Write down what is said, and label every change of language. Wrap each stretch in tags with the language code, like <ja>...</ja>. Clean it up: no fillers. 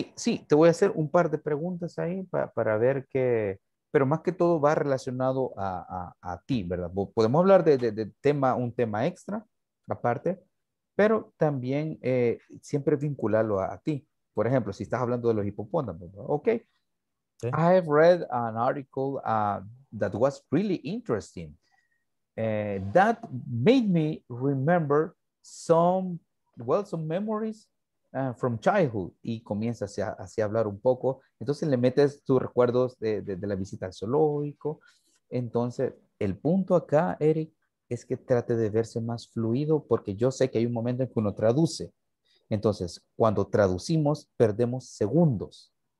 <es>Sí, te voy a hacer un par de preguntas ahí para ver qué. Pero más que todo va relacionado a ti, ¿verdad? Podemos hablar de tema, un tema extra, aparte, pero también siempre vincularlo a ti. Por ejemplo, si estás hablando de los hipopótamos, ¿verdad? Ok. Sí.</es> <en>I have read an article that was really interesting. That made me remember some memories from childhood.</en> <es>Y comienza así a hablar un poco. Entonces le metes tus recuerdos de la visita al zoológico. Entonces el punto acá, Eric, es que trate de verse más fluido, porque yo sé que hay un momento en que uno traduce. Entonces cuando traducimos perdemos segundos.</es>